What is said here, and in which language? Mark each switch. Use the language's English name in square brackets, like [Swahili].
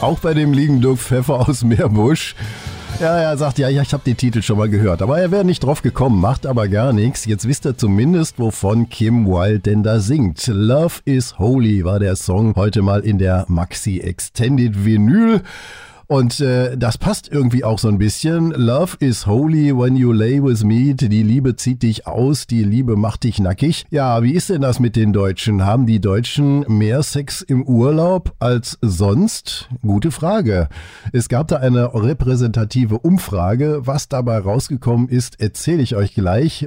[German] Auch bei dem liegen Dirk Pfeffer aus Meerbusch. Ja, er sagt, ja, ich habe den Titel schon mal gehört. Aber er wäre nicht drauf gekommen, macht aber gar nichts. Jetzt wisst ihr zumindest, wovon Kim Wilde denn da singt. Love is Holy war der Song heute mal in der Maxi-Extended Vinyl. Und das passt irgendwie auch so ein bisschen. [English] Love is holy when you lay with me. [German] Die Liebe zieht dich aus, die Liebe macht dich nackig. Ja, wie ist denn das mit den Deutschen? Haben die Deutschen mehr Sex im Urlaub als sonst? Gute Frage. Es gab da eine repräsentative Umfrage. Was dabei rausgekommen ist, erzähle ich euch gleich.